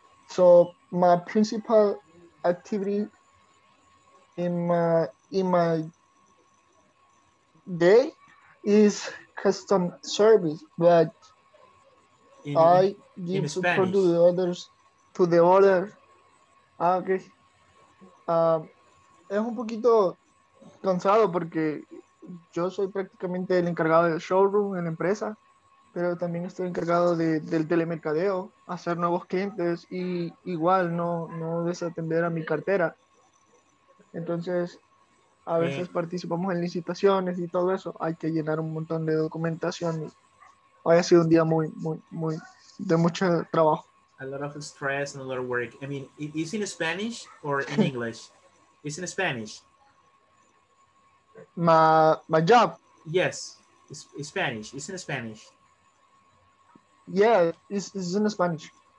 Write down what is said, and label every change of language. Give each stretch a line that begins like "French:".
English: So my principal activity in my day is custom service, but I give support to the others. To the order. Ah, okay.
Spanish: Es un poquito cansado porque yo soy prácticamente el encargado del showroom en la empresa, pero también estoy encargado del telemercadeo, hacer nuevos clientes y igual no desatender a mi cartera. Entonces, a veces participamos en licitaciones y todo eso. Hay que llenar un montón de documentación. Hoy ha sido un día muy, muy, muy de mucho trabajo.
English: A lot of stress and a lot of work. I mean, is it in Spanish or in English? It's in Spanish. My job? Yes, it's Spanish. It's in Spanish. Yeah, it's in Spanish.